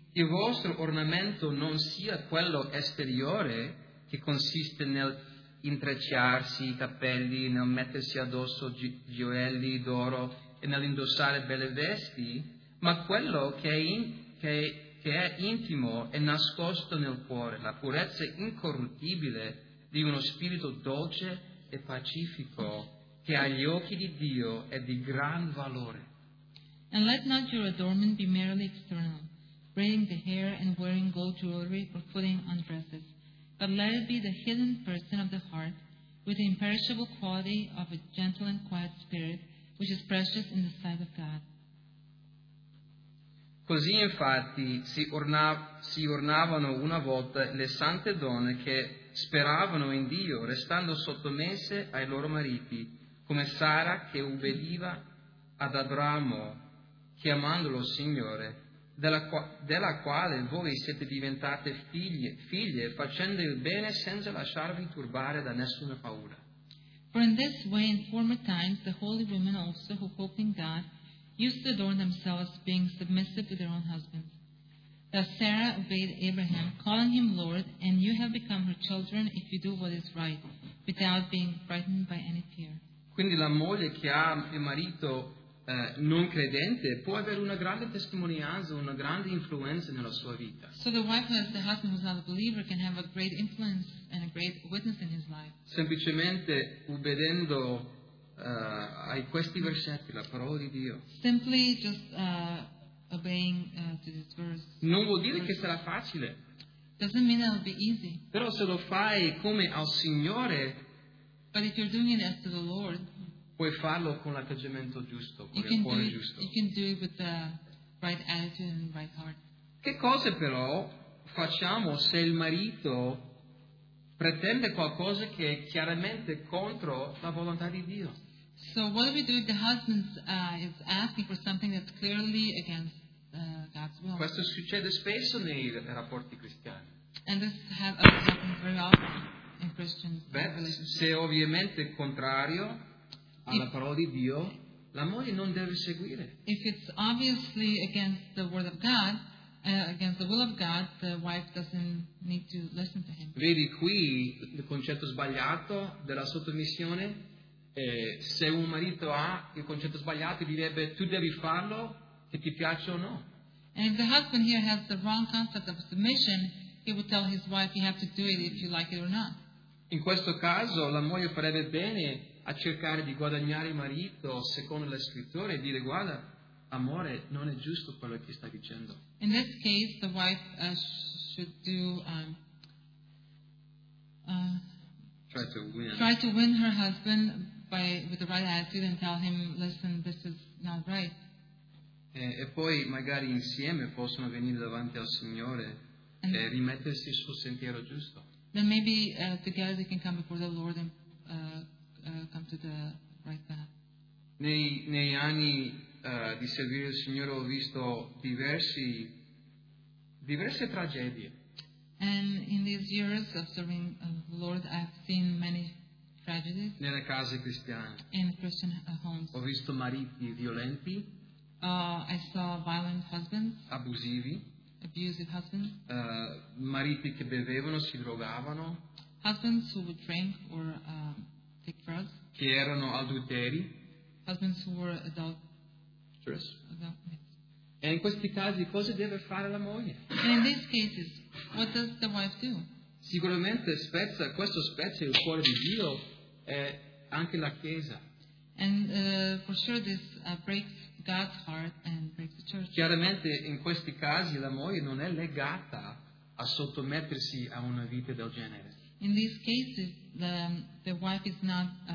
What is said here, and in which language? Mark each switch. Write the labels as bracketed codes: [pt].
[it] Il vostro ornamento non sia quello esteriore, che consiste nel intrecciarsi i capelli, nel mettersi addosso gioielli d'oro e nell'indossare belle vesti, ma quello che è intimo e nascosto nel cuore, la purezza incorruttibile di uno spirito dolce e pacifico che agli occhi di Dio è di gran valore. [en] And let not your adornment be merely external, braiding the hair and wearing gold jewelry or putting on dresses, but let it be the hidden person of the heart, with the imperishable quality of a gentle and quiet spirit, which is precious in the sight of God. [it] Così infatti si ornavano una volta le sante donne che speravano in Dio, restando sottomesse ai loro mariti, come Sara che ubbidiva ad Abramo, chiamandolo Signore, della quale voi siete diventate figlie, facendo il bene senza lasciarvi turbare da nessuna paura. [en] For in this way, in former times, the holy women also, who hoped in God, used to adorn themselves, being submissive to their own husbands. Thus Sarah obeyed Abraham, calling him Lord, and you have become her children if you do what is right, without being frightened by any fear. [it] Quindi la moglie che ha il marito non credente può avere una grande testimonianza, una grande influenza nella sua vita. [en] So the wife who has the husband who is not a believer can have a great influence and a great witness in his life. [it] Semplicemente ubbidendo a questi versetti, la parola di Dio. [en] Simply just obeying to this verse. [it] Non vuol dire che sarà facile. [en] Doesn't mean it'll be easy. [it] Però se lo fai come al Signore. [en] But if you're doing it as to the Lord. [it] Puoi farlo con l'atteggiamento giusto, con il cuore giusto. [en] You can do it with the right attitude and right heart. [it] Che cosa però facciamo se il marito pretende qualcosa che è chiaramente contro la volontà di Dio? [en] So what do we do if the husband is asking for something that's clearly against God's will? [it] Questo succede spesso nei rapporti cristiani. [en] And this happens very often in Christian relationships. [it] Se ovviamente è contrario alla parola di Dio, la moglie non deve seguire. [en] If it's obviously against the word of God, against the will of God, the wife doesn't need to listen to him. [it] Vedi qui il concetto sbagliato della sottomissione. Se un marito ha il concetto sbagliato, direbbe tu devi farlo, che ti piace o no. [en] And if the husband here has the wrong concept of submission, he would tell his wife you have to do it if you like it or not. [it] In questo caso, la moglie farebbe bene a cercare di guadagnare il marito secondo le scritture e dire guarda amore, non è giusto quello che sta dicendo. [en] In this case the wife should do try to win her husband by with the right attitude and tell him listen, this is not right. [it] E poi magari insieme possono venire davanti al Signore e rimettersi sul sentiero giusto. [en] then maybe together they can come before the Lord and come to the right path. [it] Nei anni di seguire il Signore ho visto diverse tragedie. [en] And in these years of serving the Lord, I've seen many tragedies. [it] Nelle case cristiane. [en] In Christian homes. [it] Ho visto mariti violenti. [en] I saw violent husbands. [it] Abusivi. [en] Abusive husbands. [it] Mariti che bevevano, si drogavano. [en] Husbands who would drink or take drugs. [it] Che erano adulteri. [en] Husbands who were adulterers. [it] E in questi casi cosa deve fare la moglie? [en] And in these cases, what does the wife do? [it] Sicuramente questo spezza il cuore di Dio e anche la Chiesa. [en] And for sure this breaks God's heart and breaks the church. [it] Chiaramente in questi casi la moglie non è legata a sottomettersi a una vita del genere. [en] In these cases the wife is not